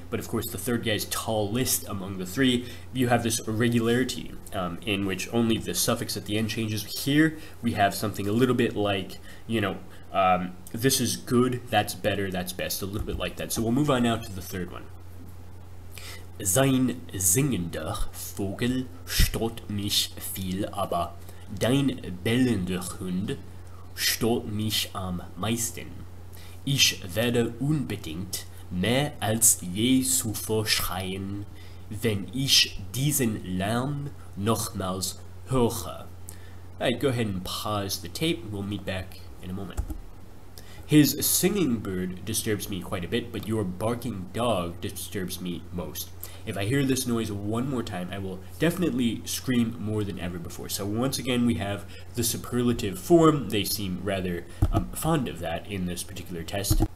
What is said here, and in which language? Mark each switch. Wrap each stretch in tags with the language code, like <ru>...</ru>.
<en>But of course, the third guy's tallest among the three. You have this irregularity in which only the suffix at the end changes. Here, we have something a little bit like, you know, this is good, that's better, that's best, a little bit like that. So we'll move on now to the third one.</en> <de>Sein singender Vogel stört mich viel, aber dein bellender Hund stört mich am meisten. Ich werde unbedingt mehr als je zuvor schreien, wenn ich diesen Lärm nochmals höre.</de> <en>Alright, go ahead and pause the tape. We'll meet back in a moment. His singing bird disturbs me quite a bit, but your barking dog disturbs me most. If I hear this noise one more time, I will definitely scream more than ever before. So once again, we have the superlative form. They seem rather fond of that in this particular test.</en>